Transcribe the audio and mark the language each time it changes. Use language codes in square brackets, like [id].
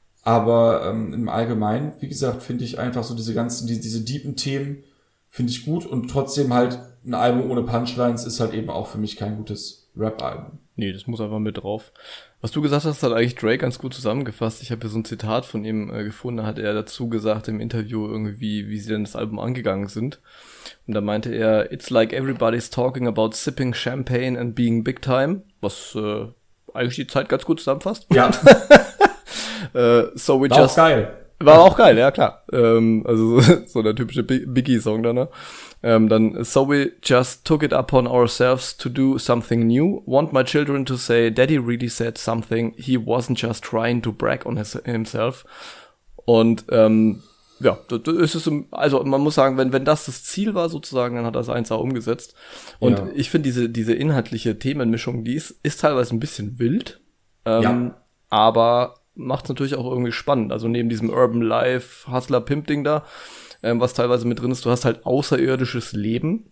[de] Aber im Allgemeinen, wie gesagt, finde ich einfach so diese deepen Themen, finde ich gut. Und trotzdem halt ein Album ohne Punchlines ist halt eben auch für mich kein gutes Rap-Album. Nee, das muss einfach mit drauf. Was du gesagt hast, hat eigentlich Drake ganz gut zusammengefasst. Ich habe hier so ein Zitat von ihm gefunden. Da hat er dazu gesagt im Interview irgendwie, wie sie denn das Album angegangen sind. Und da meinte er, [en] it's like everybody's talking about sipping champagne and being big time. [de] Was eigentlich die Zeit ganz gut zusammenfasst. Ja. [en] So we [de] war [en] just, [de] auch geil. War auch geil, ja klar. Also so der typische Biggie-Song da, ne? Dann, [en] so we just took it upon ourselves to do something new. Want my children to say, Daddy really said something. He wasn't just trying to brag on himself. [de] Und ja, das ist, also man muss sagen, wenn das das Ziel war sozusagen, dann hat das eins auch umgesetzt. Und ja. Ich finde diese inhaltliche Themenmischung, die ist teilweise ein bisschen wild. Aber macht es natürlich auch irgendwie spannend. Also neben diesem Urban Life, Hustler, Pimp-Ding da, was teilweise mit drin ist, du hast halt außerirdisches Leben.